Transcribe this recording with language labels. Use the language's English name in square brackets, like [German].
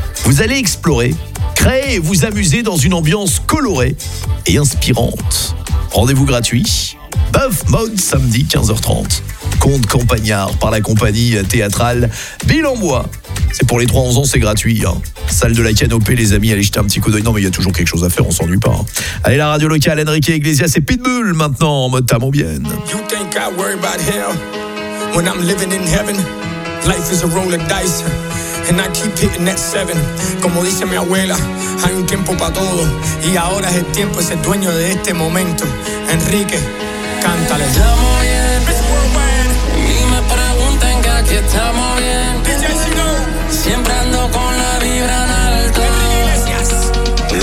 [French] Vous allez explorer, créer et vous amuser dans une ambiance colorée et inspirante. Rendez-vous gratuit, Buff Mode samedi 15h30. Conte campagnard par la compagnie théâtrale Bill en bois. C'est pour les 3-11 ans, c'est gratuit. Hein. Salle de la canopée, les amis, allez jeter un petit coup d'œil. Non, mais il y a toujours quelque chose à faire, on s'ennuie pas. Hein. Allez, la radio locale, Enrique Iglesias et Pitbull maintenant en mode ta bien. [English] You think I worry about hell when I'm living in heaven? Life is a roll of dice. And I keep hitting that 7. [Spanish] Como dice mi abuela, hay un tiempo para todo. Y ahora es el tiempo, es el dueño de este momento. Enrique, cántale. Estamos bien, [English] this world man. [Spanish] Y me preguntan que aquí estamos bien. DJ Chino. Siempre ando con la vibra en alto. Enrique Iglesias.